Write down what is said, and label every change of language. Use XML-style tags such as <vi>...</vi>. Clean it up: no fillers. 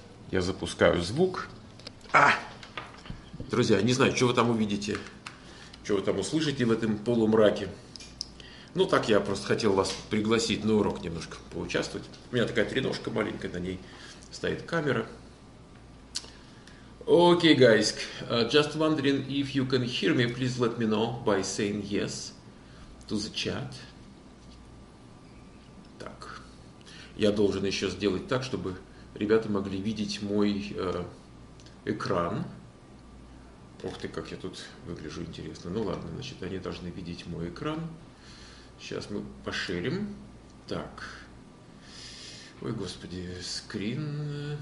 <ru>Я запускаю звук. А! Друзья, не знаю, что вы там увидите, что вы там услышите в этом полумраке. Ну, так я просто хотел вас пригласить на урок немножко поучаствовать. У меня такая треножка маленькая, на ней стоит камера.</ru> <en>Okay, guys, just wondering if you can hear me, please let me know by saying yes to the chat.</en> <ru>Так, я должен еще сделать так, чтобы ребята могли видеть мой экран. Ух ты, как я тут выгляжу интересно. Ну ладно, значит, они должны видеть мой экран. Сейчас мы поширим. Так. Ой, господи, скрин.</ru>